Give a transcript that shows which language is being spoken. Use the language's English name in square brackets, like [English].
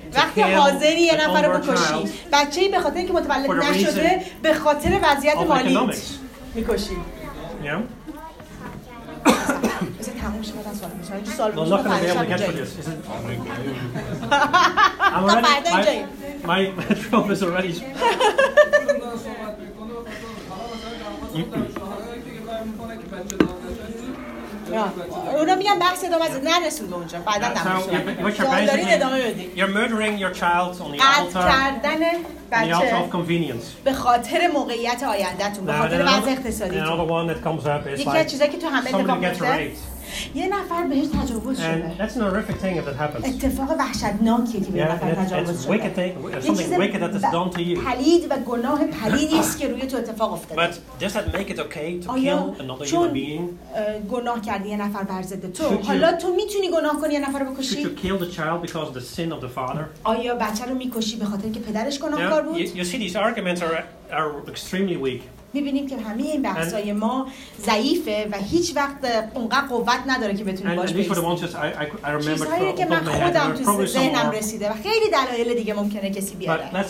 [Persian] وقتی حاضری یه نفر رو بکشی، بچه‌ای به خاطر اینکه متولد نشده، به خاطر وضعیت مالی میکشی. [English] I'm not going to be able to get to this. My throat is already. Yeah. [Persian] اونا میگن بحث ادامه از نرسید اونجا بعدا نمیشه. [English] You're murdering your child on the altar. [Persian] قتل کردن [English] out of convenience. [Persian] به خاطر موقعیت آیندهتون، به خاطر وضع اقتصادی. [English] Another one that comes up is like somebody gets raped. [Persian] یه نفر بهش تجاوز شده. [English] And that's an horrific thing if it happens. [Persian] اتفاق وحشتناکی که به نفر تجاوز شده. [English] It's wicked thing. Something wicked that is done to you. [Persian] پلید و گناه پلیدی است که روی تو اتفاق افتاده. [English] But does that make it okay to kill another human being? [Persian] گناه کردی یه نفر بر ضد تو. حالا تو میتونی گناه کنی یه نفر رو بکشی؟ [English] Should you kill the child because of the sin of the father? [Persian] آیا بچه رو میکشی به خاطر اینکه پدرش گناهکار بود؟ [English] You see these arguments are extremely weak. [Persian] می‌بینیم که همه این بحث‌های ما ضعیفه و هیچ وقت اونقدر قوت نداره که بتونیم باش بیستیم. چیزهایی که من خودم تو ذهنم رسیده و خیلی دلایل دیگه ممکنه کسی بیاره.